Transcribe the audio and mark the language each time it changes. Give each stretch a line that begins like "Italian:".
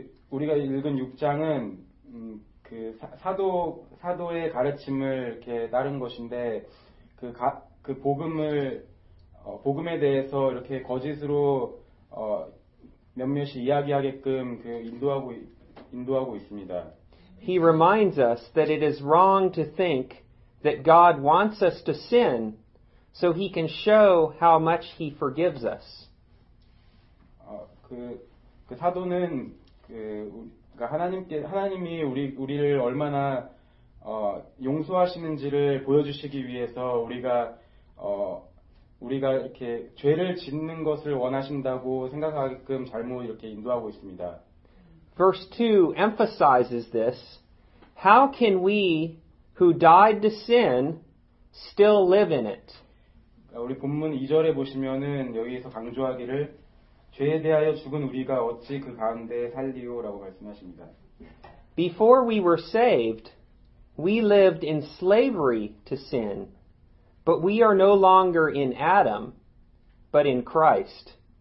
Korean: 우리가 읽은 6장은 그 사도의 가르침을 이렇게 따른 것인데 그 복음을 복음에 대해서 이렇게 거짓으로 몇몇이 이야기하게끔 그 인도하고 있습니다.
English: He reminds us that it is wrong to think that God wants us to sin so he can show how much he forgives us.
Korean: 그 사도는 그러니까 하나님이 우리를 얼마나 용서하시는지를 보여주시기 위해서 우리가 이렇게 죄를 짓는 것을 원하신다고 생각하게끔 잘못 이렇게 인도하고 있습니다.
English: Verse 2 emphasizes this. How can we who died to sin still live in it?
Korean: 우리 본문 2절에 보시면은 여기에서 강조하기를 죄에 대하여 죽은 우리가 어찌 그 가운데 살리오라고 말씀하십니다.
English: Before we were saved, we lived in slavery to sin. But we are no longer in Adam, but in Christ.